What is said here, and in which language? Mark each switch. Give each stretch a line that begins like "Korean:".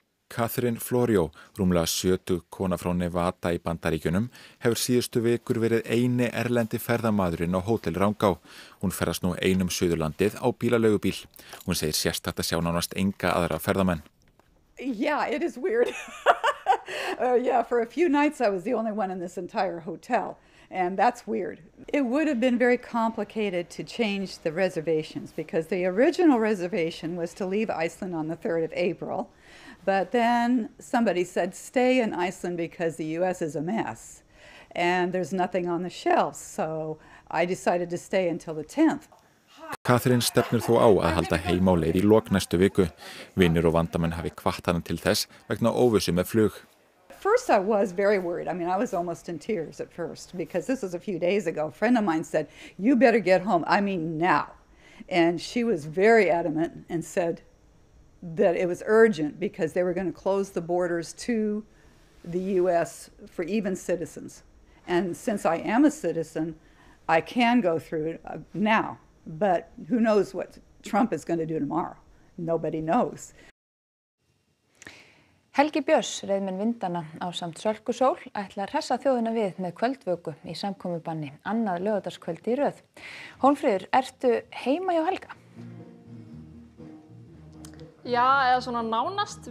Icelandic: Catherine Florio, rúmlega 70 kona frá Nevada í Bandaríkjunum, hefur síðustu vikur verið eini erlendi ferðamaðurinn á Hótel Rangá. Hún ferðast nú einum Suðurlandið á bílaleigubíl. Hún segir sérstakt að sjá nánast enga aðra ferðamenn.
English: Yeah, it is weird. yeah, for a few nights I was the only one in this entire hotel. And that's weird. It would have been very complicated to change the reservations because the original reservation was to leave Iceland on the 3rd of April. But then somebody said, stay in Iceland because the U.S. is a mess and there's nothing on the shelves. So I decided to stay until the 10th.
Icelandic: Catherine stefnir þó á að halda heim á leið í lok næstu viku. Vinir og vandamenn hafi kvatt hana til þess vegna óvissu með flug.
English: First I was very worried. I mean, I was almost in tears at first because this was a few days ago. A friend of mine said, you better get home. I mean, now. And she was very adamant and said that it was urgent because they were going to close the borders to the U.S. for even citizens. And since I am a citizen, I can go through it now. But who knows what Trump is going to do tomorrow? Nobody knows.
Icelandic: Helgi Björs, reiðmenn vindana á samt Sölku Sól, ætla að hressa þjóðina við með kvöldvöku í samkomubanni, annað laugardagskvöld í röð. Hólmfríður, ertu heima hjá Helga? Já, eða svona nánast.